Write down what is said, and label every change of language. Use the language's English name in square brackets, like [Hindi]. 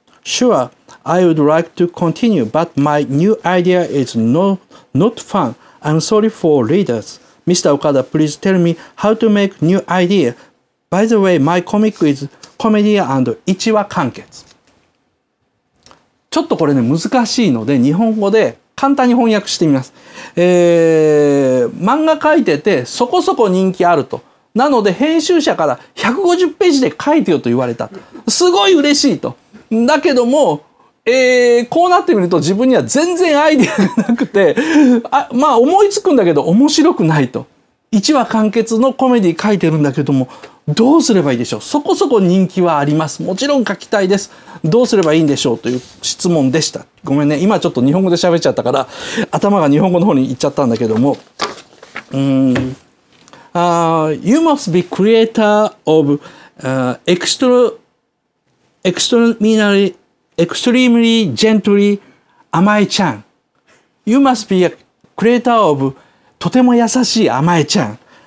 [English] Sure, I would like to continue, but my new idea is not fun. I'm sorry for readers. Mr. Okada, please tell me how to make new idea. By the way, my comic is comedy and [Japanese] 1話完結。ちょっとこれね、難しいので、日本語で簡単に翻訳してみます。漫画描いてて、そこそこ人気あると。なので、編集者から150ページで書いてよと言われた。すごい嬉しいと。だけども、こうなってみると自分には全然アイディアがなくて、まあ思いつくんだけど面白くないと。 1話完結のコメディ書いてるんだけども、どうすればいいでしょう。そこそこ人気はあります。もちろん書きたいです。どうすればいいんでしょうという質問でした。ごめんね。今ちょっと日本語で喋っちゃったから、頭が日本語の方に行っちゃったんだけども。 [English] You must be creator of extremely gently Amae chan. You must be a creator of [Japanese] とても優しい [English] Amae chan.